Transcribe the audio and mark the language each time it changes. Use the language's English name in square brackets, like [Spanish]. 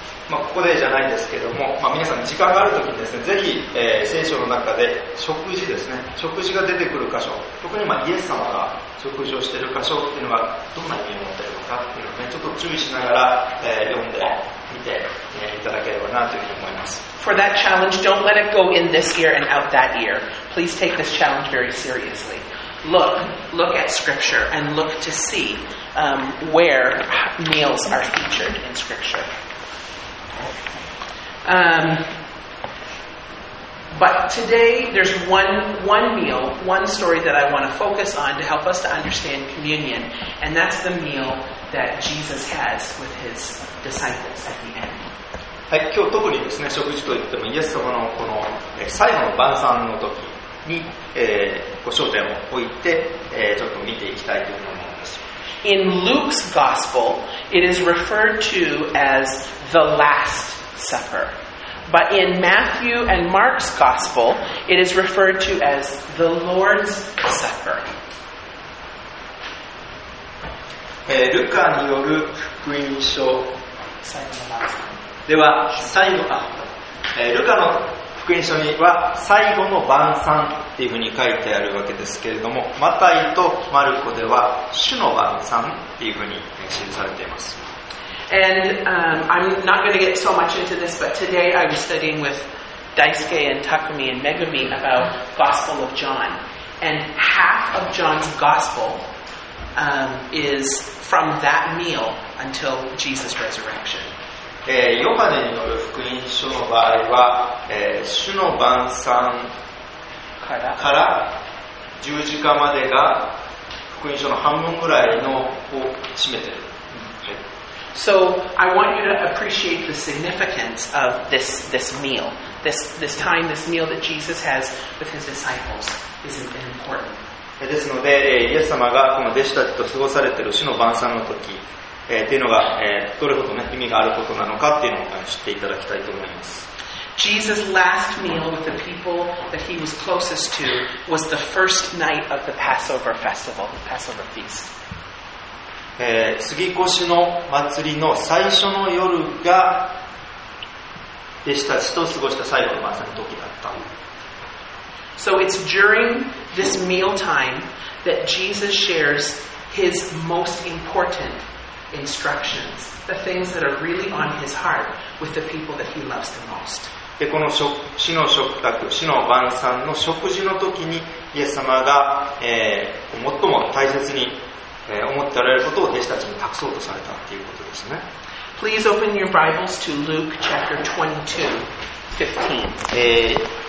[Japanese] まあここでじゃないですけども、まあ、皆さん時間があるときにですね、ぜひ、聖書の中で食事ですね、食事が出てくる箇所、特にまあイエス様が食事をしている箇所っていうのがどんな意味を持っているのかっていうのを、ね、ちょっと注意しながら、読んでみて、いただければなというふうに思います。 [English] For that challenge, don't let it go in this year and out that year. Please take this challenge very seriously. Look at scripture and look to see. Where meals are featured in scripture. But today there's one meal, one story that I want to focus on to help us to understand communion, and that's the meal that Jesus has with his disciples at the end. [Japanese] はい、今日特にですね、食事といってもイエス様のこの最後の晩餐の時に、ご焦点を置いて、ちょっと見ていきたいというふうに思います。 [English] In Luke's Gospel, it is referred to as the Last Supper. But in Matthew and Mark's Gospel, it is referred to as the Lord's Supper. [Japanese] ルカによる福音書では最後か。ルカの福音書には最後の晩餐っていうふうに書いてあるわけですけれども、マタイとマルコでは主の晩餐っていうふうに記されています。 [English] And I'm not going to get so much into this, but today I was studying with Daisuke and Takumi and Megumi about Gospel of John. And half of John's Gospel is from that meal until Jesus' resurrection. [Japanese] ヨハネによる福音書の場合は、主の晩餐から十字架までが福音書の半分ぐらいのを占めている。 [English] So I want you to appreciate the significance of this meal. This time, this meal that Jesus has with his disciples is important. [Japanese] ですので、イエス様がこの弟子たちと過ごされている主の晩餐の時、っていうのが、どれほど、ね、意味があることなのかっていうのを知っていただきたいと思います。 [English] Jesus last meal with the people that he was closest to was the first night of the Passover festival, the Passover feast. [Japanese] 過ぎ越しの祭りの最初の夜が弟子たちと過ごした最後の晩餐の時だった。 [English] So it's during this meal time that Jesus shares his most important instructions, the things that are really on his heart with the people that he loves the most. [Japanese] でこの死の食卓、死の晩餐の食事の時にイエス様が、最も大切に、思っておられることを弟子たちに託そうとされたということですね。 [English] Please open your Bibles to Luke chapter 22:15.